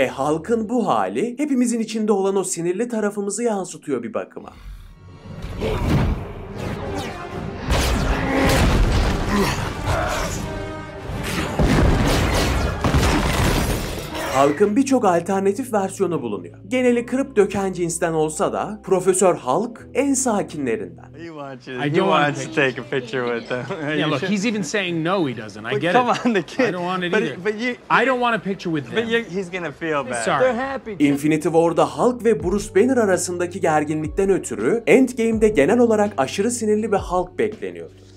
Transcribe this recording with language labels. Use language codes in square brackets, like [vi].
[tr] Halkın bu hali hepimizin içinde olan o sinirli tarafımızı yansıtıyor bir bakıma. Hulk'ın birçok alternatif versiyonu bulunuyor. Geneli kırıp döken cinsten olsa da Profesör Hulk en sakinlerinden. [en] I don't want to take a picture with him. Yeah, look, he's even saying no, he doesn't. I get come it. Come on, the kid. I don't want it either. I don't want a picture with them. But he's gonna feel bad. Sorry. They're happy. [tr] Infinity War'da Hulk ve Bruce Banner arasındaki gerginlikten ötürü Endgame'de genel olarak aşırı sinirli bir Hulk bekleniyordu.